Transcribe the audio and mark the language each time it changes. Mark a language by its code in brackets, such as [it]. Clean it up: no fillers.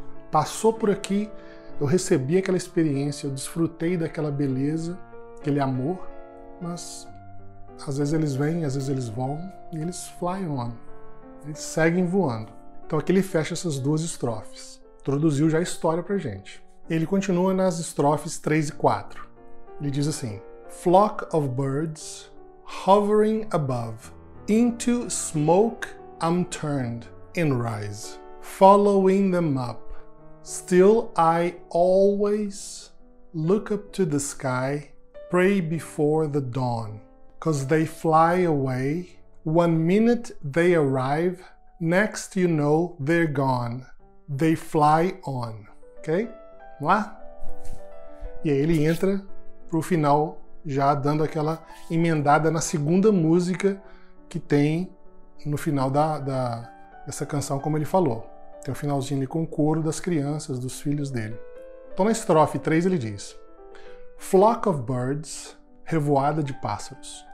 [pt] Passou por aqui, eu recebi aquela experiência, eu desfrutei daquela beleza, aquele amor, mas às vezes eles vêm, às vezes eles vão, e eles fly on. Eles seguem voando. Então aqui ele fecha essas duas estrofes. Introduziu já a história pra gente. Ele continua nas estrofes 3 e 4. Ele diz assim, [en] flock of birds hovering above, into smoke I'm turned and rise, following them up. Still I always look up to the sky, pray before the dawn, cause they fly away. One minute they arrive, next you know they're gone. They fly on. Ok? [pt] Vamos lá? E aí ele entra pro final, já dando aquela emendada na segunda música que tem no final dessa canção, como ele falou. Tem o finalzinho ali com o coro das crianças, dos filhos dele. Então, na estrofe 3, ele diz [en] flock of birds, [pt] revoada de pássaros.